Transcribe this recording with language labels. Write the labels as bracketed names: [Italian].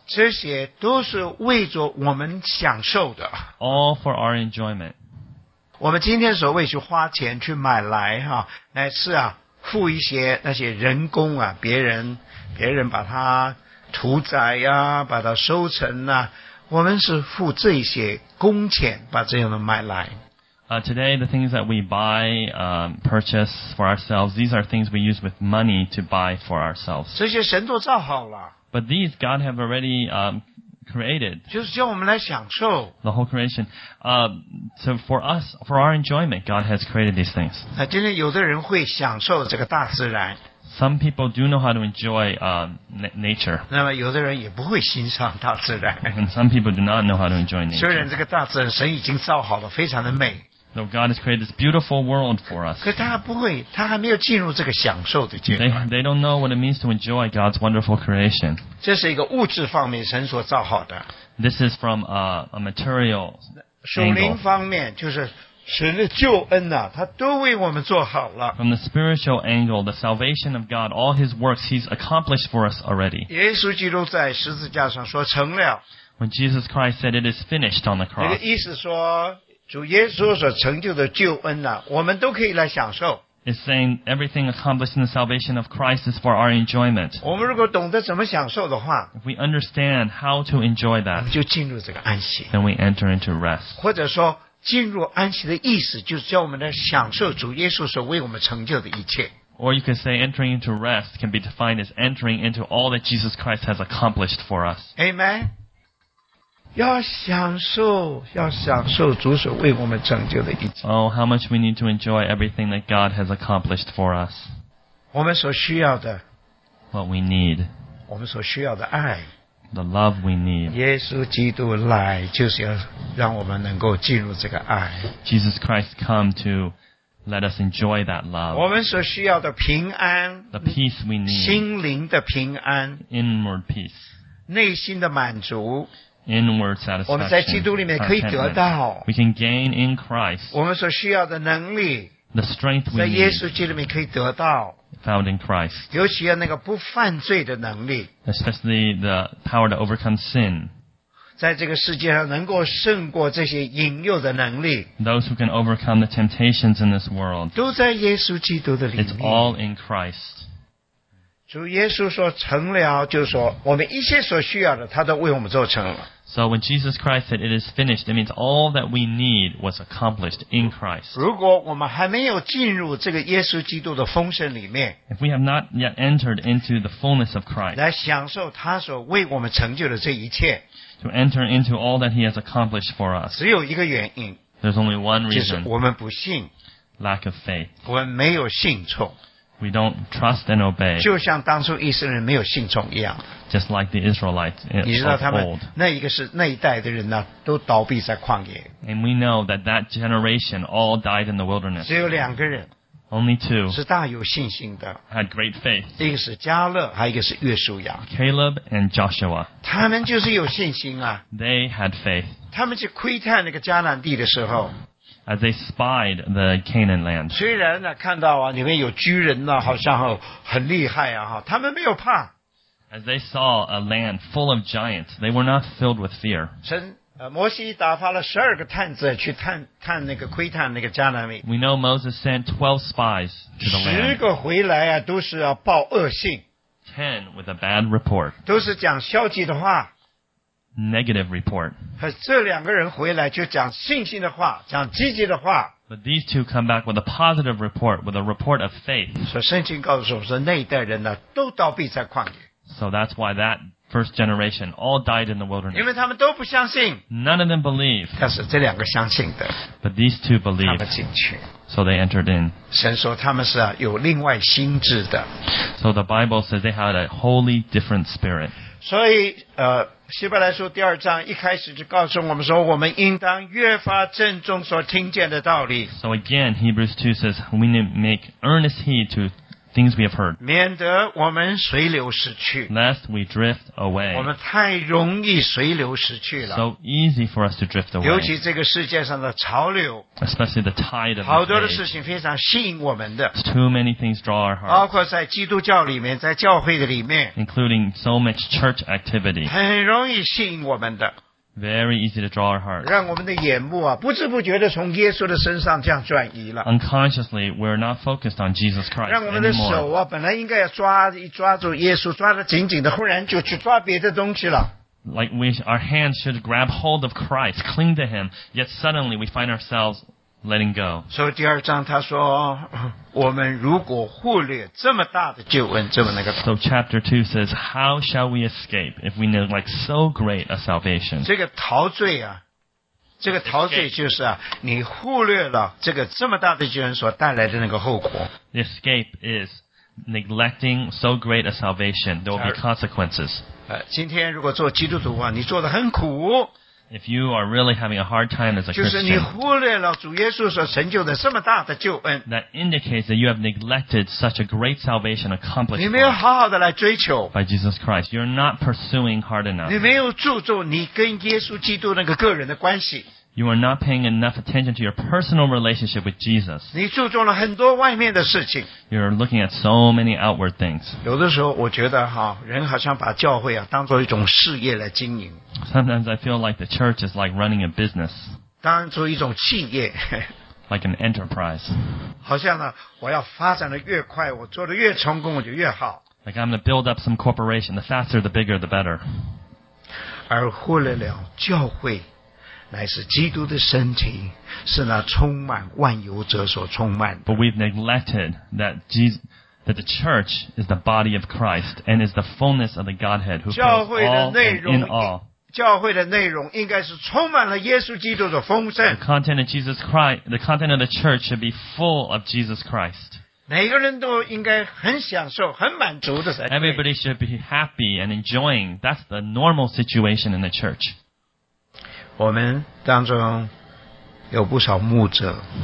[Chinese] 这些都是为着我们享受的。 [English] All for our enjoyment. [Chinese] 我们今天所谓去花钱去买来哈，乃是啊，付一些那些人工啊，别人把它屠宰啊，把它收成啊，我们是付这些工钱把这样的买来。 [English] Today, the things that we buy, purchase for ourselves, these are things we use with money to buy for ourselves. [Chinese] 这些神都造好了。 [English] But these God have already, created. [Chinese] 就是叫我们来享受。 [English] The whole creation. So for us, for our enjoyment, God has created these things. [Chinese] 今天有的人会享受这个大自然。 [English] Some people do know how to enjoy, nature. [Chinese] 那么有的人也不会欣赏大自然。 [English] And some people do not know how to enjoy nature. [Chinese] 虽然这个大自然神已经造好了，非常的美。 [English] Though God has created this beautiful world for us. [Chinese] 可他不会，他还没有进入这个享受的阶段。 [English] They don't know what it means to enjoy God's wonderful creation. [Chinese] 这是一个物质方面神所造好的。 [English] This is from a material angle. [Chinese] 属灵方面就是神的救恩啊，他都为我们做好了。 [English] From the spiritual angle, the salvation of God, all His works He's accomplished for us already. [Chinese] 耶稣基督在十字架上说成了。 [English] When Jesus Christ said it is finished on the cross. [Chinese] 那个意思说。主耶稣所成就的救恩呢、啊，我们都可以来享受。 [English] It's saying everything accomplished in the salvation of Christ is for our enjoyment. [Chinese] 我们如果懂得怎么享受的话 [English] ，If we understand how to enjoy that， [Chinese] 我们就进入这个安息。 [English] Then we enter into rest. [Chinese] 或者说，进入安息的意思就是叫我们来享受主耶稣所为我们成就的一切。 [English] Or you could say entering into rest can be defined as entering into all that Jesus Christ has accomplished for us. Amen. [Chinese] 要享受主所为我们成就的一切。 [English] Oh, how much we need to enjoy everything that God has accomplished for us. [Chinese] 我们所需要的。 [English] What we need. [Chinese] 我们所需要的爱。 [English] The love we need. [Chinese] 耶稣基督来就是要让我们能够进入这个爱。 [English] Jesus Christ come to let us enjoy that love. [Chinese] 我们所需要的平安。 [English] The peace we need. [Chinese] 心灵的平安。 [English] Inward peace. [Chinese] 内心的满足。 [English] Inward satisfaction. [Chinese] 我们在基督里面可以得到。 [English] We can gain in Christ. [Chinese] 我们所需要的能力。 [English] The strength we need. [Chinese] 在耶稣基督里面可以得到。 [English] Found in Christ. [Chinese] 尤其要那个不犯罪的能力。 [English] Especially the power to overcome sin. [Chinese] 在这个世界上能够胜过这些引诱的能力。 [English] Those who can overcome the temptations in this world. [Chinese] 都在耶稣基督的里面。 [English] It's all in Christ. [Chinese] 主耶稣说成了，就是说我们一切所需要的，他都为我们做成了。 [English] So when Jesus Christ said it is finished, it means all that we need was accomplished in Christ. [Chinese] 如果我们还没有进入这个耶稣基督的丰盛里面 [English] ，If we have not yet entered into the fullness of Christ, [Chinese] 来享受他所为我们成就的这一切 [English] ，To enter into all that He has accomplished for us, [Chinese] 只有一个原因 [English] ，There's only one reason, [Chinese] 就是我们不信 [English] ，Lack of faith, [Chinese] 我们没有信从。 [English] We don't trust and obey. [Chinese] 就像当初以色列人没有信从一样。 [English] Just like the Israelites of old. [Chinese] 你知道他们那一个是那一代的人呢，都倒闭在旷野。 [English] And we know that that generation all died in the wilderness. [Chinese] 只有两个人。 [English] Only two. [Chinese] 是大有信心的。 [English] Had great faith. [Chinese] 一个是迦勒，还一个是约书亚。 [English] Caleb and Joshua. [Chinese] 他们就是有信心啊。 [English] They had faith. [Chinese] 他们去窥探那个迦南地的时候。 [English] As they spied the Canaan land. [Chinese] 虽然呢，看到啊，里面有巨人呢，好像很厉害啊，哈，他们没有怕。 [English] As they saw a land full of giants, they were not filled with fear. [Chinese] 摩西打发了十二个探子去探那个窥探那个迦南地。 [English] We know Moses sent 12 spies to the land. [Chinese] 十个回来啊，都是要报恶信。 [English] 10 with a bad report. [Chinese] 都是讲消极的话。 [English] Negative report. [Chinese] 这两个人回来就讲信心的话，讲积极的话。 [English] But these two come back with a positive report, with a report of faith. [Chinese] 所以圣经告诉我们说，那一代人呢，都倒闭在旷野。 [English] So that's why that first generation, all died in the wilderness. [Chinese] 因为他们都不相信。 [English] None of them believed. [Chinese] 但是这两个相信的。 [English] But these two believed. [Chinese] 他们进去。 [English] So they entered in. [Chinese] 神说他们是啊有另外心智的。 [English] So the Bible says they had a wholly different spirit. [Chinese] 所以希伯来书第二章一开始就告诉我们说我们应当越发郑重所听见的道理。 [English] So again, Hebrews 2 says, we need to make earnest heed to things we have heard. [Chinese] 免得我们随流失去。 [English] Lest we drift away. [Chinese] 我们太容易随流失去了。 [English] So easy for us to drift away. [Chinese] 尤其这个世界上的潮流。 [English] Especially the tide of the age. [Chinese] 好多的事情非常吸引我们的。 [English] Too many things draw our hearts. [Chinese] 包括在基督教里面，在教会的里面。 [English] Including so much church activity. [Chinese] 很容易吸引我们的。 [English] Very easy to draw our hearts. [Chinese] 让我们的眼目啊，不知不觉地从耶稣的身上这样转移了。 [English] Unconsciously, we're not focused on Jesus Christ anymore. [Chinese] 让我们的手啊，本来应该要抓住耶稣，抓得紧紧的，忽然就去抓别的东西了。 [English] Like our hands should grab hold of Christ, cling to Him, yet suddenly we find ourselves letting go. [Chinese] 所以第二章他说，我们如果忽略这么大的救恩，这么那个。 [English] So chapter 2 says, how shall we escape if we know like so great a salvation? [Chinese] 这个陶醉啊，这个陶醉就是啊，你忽略了这个这么大的救恩所带来的那个后果。 [English] Escape is neglecting so great a salvation. There will be consequences. [Chinese] 今天如果做基督徒啊，你做得很苦。 [English] If you are really having a hard time as a Christian, [Chinese] 就是你忽略了主耶稣所成就的这么大的救恩。 [English] That indicates that you have neglected such a great salvation accomplishment. [Chinese] 你没有好好的来追求。 [English] By Jesus Christ, you're not pursuing hard enough. [Chinese] 你没有注重你跟耶稣基督那个个人的关系。 [English] You are not paying enough attention to your personal relationship with Jesus. [Chinese] 你注重了很多外面的事情。 [English] You're looking at so many outward things. [Chinese] 有的时候我觉得哈，人好像把教会啊当做一种事业来经营。 [English] Sometimes I feel like the church is like running a business. [Chinese] 当做一种企业。 [English] Like an enterprise. [Chinese] 好像呢，我要发展的越快，我做的越成功，我就越好。 [English] Like I'm going to build up some corporation. The faster, the bigger, the better. [Chinese] 而忽略了教会。乃是基督的身体，是那充满万有者所充满的。 [English] But we've neglected that that the church is the body of Christ and is the fullness of the Godhead who fills all and in all. [Chinese] 教会的内容应该是充满了耶稣基督的丰盛。 [English] The content of Jesus Christ, the content of the church should be full of Jesus Christ. [Chinese] 每个人都应该很享受很满足的才对。 [English] Everybody should be happy and enjoying. That's the normal situation in the church. [Chinese] 我们当中有不少牧者。